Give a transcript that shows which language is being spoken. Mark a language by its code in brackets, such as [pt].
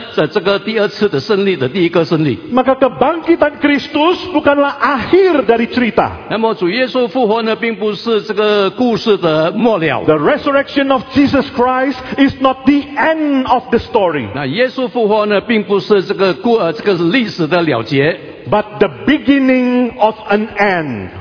[zh] 成为主耶稣第二次要再来的这个第二次的胜利的第一个胜利。 [id] Maka kebangkitan Kristus bukanlah akhir dari cerita. [zh] 那么主耶稣复活呢，并不是这个故事的末了。 [en] The resurrection of Jesus Christ is not the end of the story. [zh] 那耶稣复活呢，并不是这个历史的了结。 [en] But the beginning of an end.